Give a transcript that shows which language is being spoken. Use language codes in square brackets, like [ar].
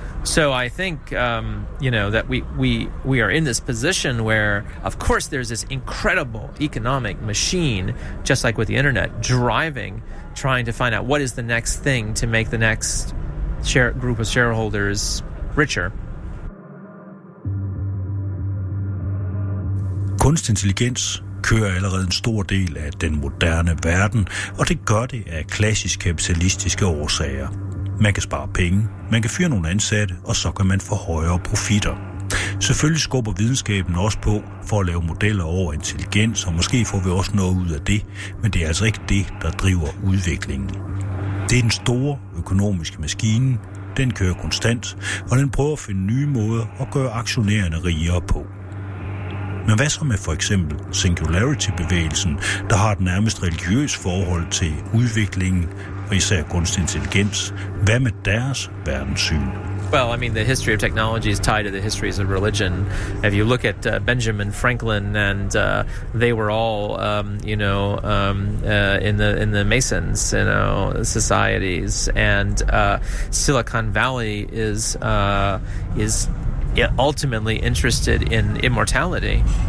[en] So I think, you know, that we are in this position where, of course, there's this incredible economic machine, just like with the internet, driving, trying to find out what is the next thing to make the next group of shareholders richer. [da] Kunstig intelligens kører allerede en stor del af den moderne verden, og det gør det af klassisk kapitalistiske årsager. Man kan spare penge, man kan fyre nogle ansatte, og så kan man få højere profitter. Selvfølgelig skubber videnskaben også på for at lave modeller over intelligens, og måske får vi også noget ud af det, men det er altså ikke det, der driver udviklingen. Det er den store økonomiske maskine, den kører konstant, og den prøver at finde nye måder at gøre aktionærerne rigere på. Men hvad så med for eksempel singularity-bevægelsen, der har et nærmest religiøst forhold til udviklingen, og især kunstig intelligens? Hvad med deres verdenssyn? [en] Well, I mean, the history of technology is tied to the histories of religion. If you look at Benjamin Franklin, and they were all, you know, in the Masons, you know, societies, and Silicon Valley is ultimately interested in immortality.